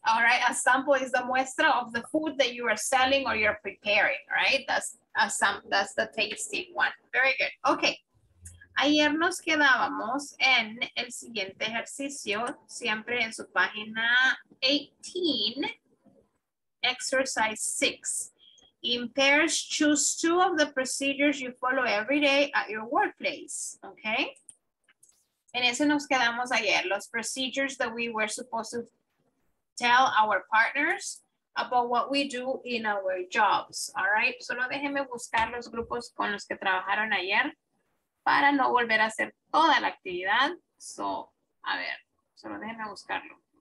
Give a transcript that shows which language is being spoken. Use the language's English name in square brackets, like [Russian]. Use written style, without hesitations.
[English] All right, a sample is the muestra of the food that you are selling or you're preparing, right? That's the tasting one. Very good. Okay. [Spanish] Ayer nos quedábamos en el siguiente ejercicio, siempre en su página 18, exercise 6. [English] In pairs, choose 2 of the procedures you follow every day at your workplace, okay? [Spanish] En ese nos quedamos ayer, los [English] procedures that we were supposed to tell our partners about what we do in our jobs, all right? [Spanish] Solo déjenme buscar los grupos con los que trabajaron ayer para no volver a hacer toda la actividad. So, a ver, solo déjenme buscarlo.